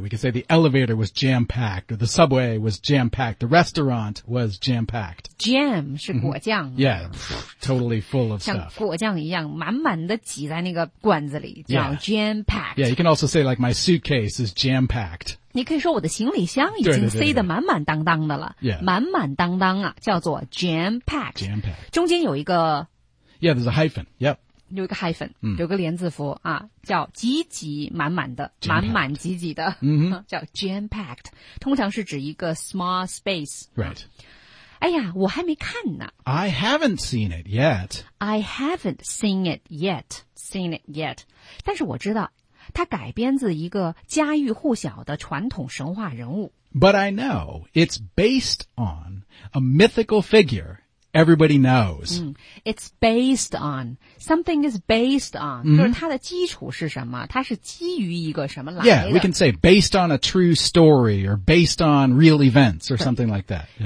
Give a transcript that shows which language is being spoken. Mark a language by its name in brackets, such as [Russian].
[English] We could say the elevator was jam-packed, or the subway was jam-packed, the restaurant was jam-packed. [Chinese] Jam 是果酱。 [English] Mm-hmm. Yeah, totally full of [Chinese] 像 [English] stuff. [Chinese] 像果酱一样满满的挤在那个罐子里叫 [English] yeah. jam-packed. Yeah, you can also say like my suitcase is jam-packed. [Chinese] 你可以说我的行李箱已经塞得满满当当的了。 [English] Yeah. [Chinese] 满满当当啊叫做 jam-packed. [English] Jam-packed. [Chinese] 中间有一个。 [English] Yeah, there's a hyphen. Yep. [Chinese] 有一个 hyphen, 有个连字符啊叫挤挤满满的满满挤挤的、叫 jam-packed, 通常是指一个 [English] small space. Right. [Chinese] 哎呀我还没看呢。 [English] I haven't seen it yet. I haven't seen it yet. Seen it yet. [Chinese] 但是我知道它改编自一个家喻户晓的传统神话人物。 [English] But I know it's based on a mythical figure. Everybody knows.、 It's based on. Something is based on.、 [Chinese] 就是它的基础是什么它是基于一个什么来的 [English] Yeah, we can say based on a true story or based on real events or something like that.、Yeah.